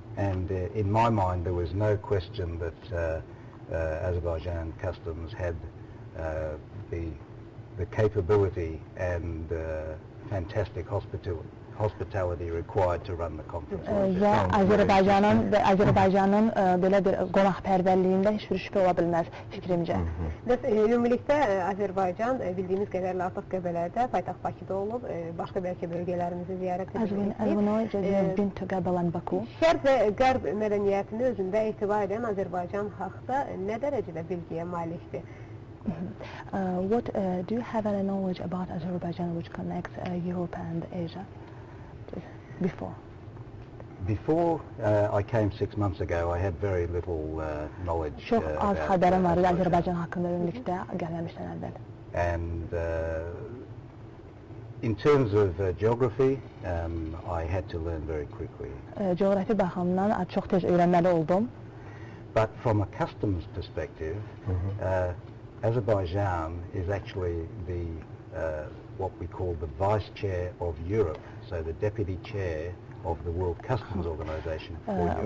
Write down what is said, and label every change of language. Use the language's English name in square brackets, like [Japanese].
[English] And in my mind there was no question that Azerbaijan customs had the capability and fantastic hospitality required to run the conference. [Azerbaijani] Azerbaijanın belə bir qonaqpərvərliyində heç bir şübhə ola bilməz fikrimcə. Ümumilikdə Azerbaycan bildiyimiz qədərlə artıq Qəbələdə, paytaxt Bakıda olub, başqa bəlkə bölgələrimizi ziyarət edib. Şərq və qərb mədəniyyətini özündə etibar edən Azerbaycan haqda nə dərəcədə bilgiyə malikdir? [English] What do you have any knowledge about Azerbaijan which connects Europe and Asia? Before I came 6 months ago, I had very little knowledge. [Azerbaijani] Çox az xəbərim var idi Azərbaycan haqqında ümumilikdə gəlməmişdən əvvəl. [English] And in terms of geography, I had to learn very quickly. [Azerbaijani] Coğrafi baxımından çox tez öyrənməli oldum. [English] But from a customs perspective, Azerbaijan is actually the what we call the vice chair of Europe. So the deputy chair of the World Customs Organization for Europe.